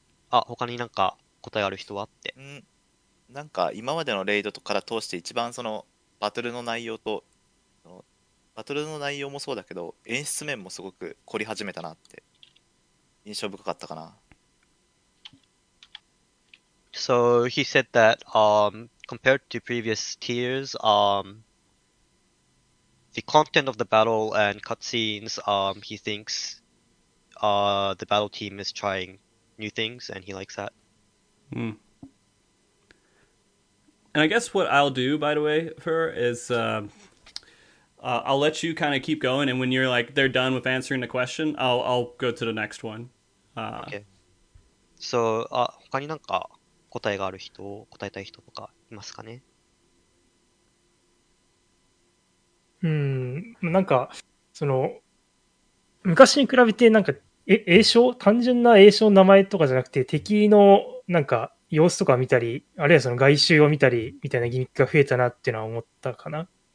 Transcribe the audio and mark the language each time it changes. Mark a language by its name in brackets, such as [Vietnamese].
[Japanese] あ、他になんか答えある人はって。なんか今までのレイドとから通して一番そのバトルの内容と。バトルの内容もそうだけど、演出面もすごく凝り始めたなって印象深かったかな。 [English] So he said that compared to previous tiers, the content of the battle and cutscenes, he thinks the battle team is trying new things and he likes that. And I guess what I'll do, by the way, for is. I'll let you kind of keep going, and when you're like they're done with answering the question, I'll go to the next one. Okay. [Japanese] So, 他になんか答えがある人を答えたい人とかいますかね？なんかその昔に比べてなんか英称単純な英称名前とかじゃなくて敵のなんか様子とか見たり、あるいはその外周を見たりみたいなギミックが増えたなっていうのは思ったかな。